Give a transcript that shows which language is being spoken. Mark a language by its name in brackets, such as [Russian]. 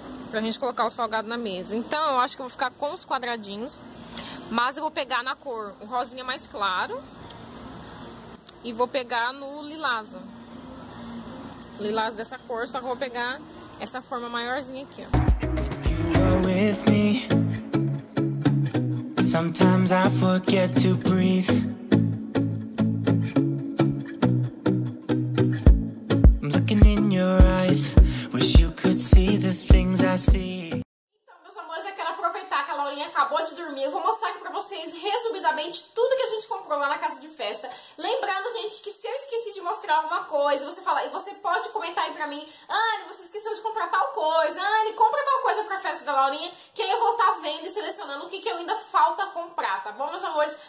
[Portuguese] Pra gente colocar o salgado na mesa. Então, eu acho que eu vou ficar com os quadradinhos. Mas eu vou pegar na cor o rosinha mais claro. E vou pegar no lilás, ó. Lilás dessa cor, só que vou pegar essa forma maiorzinha aqui, ó. [English] With me, sometimes I forget to breathe. I'm looking in your eyes, wish you could see the things I see. [Portuguese] Então, meus amores, eu quero aproveitar que a Laurinha acabou de dormir. Eu vou mostrar aqui pra vocês, resumidamente, tudo que a gente comprou lá na casa de festa. Lembrando, gente, que se eu esqueci de mostrar alguma coisa, você fala, e você pode comentar aí pra mim, Anne, você esqueceu de comprar tal coisa, Anne, compra tal coisa pra festa da Laurinha, que aí eu vou estar vendo e selecionando o que eu ainda falta comprar, tá bom, meus amores?